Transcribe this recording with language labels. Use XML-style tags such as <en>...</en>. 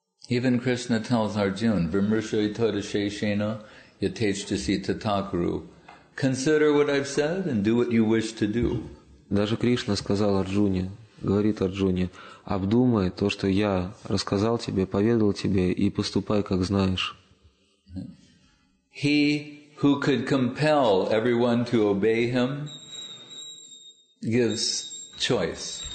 <en>Even Krishna tells Arjuna,</en> <sa>Vimrshayitodasheshena yateshtasitatakuru,</sa> <en>consider what I've said and do what you wish to do.</en> <ru>Даже Кришна сказал Арджуне, говорит Арджуне, обдумай то, что я рассказал тебе, поведал тебе, и поступай, как знаешь.</ru> <en>He who could compel everyone to obey him gives choice.</en>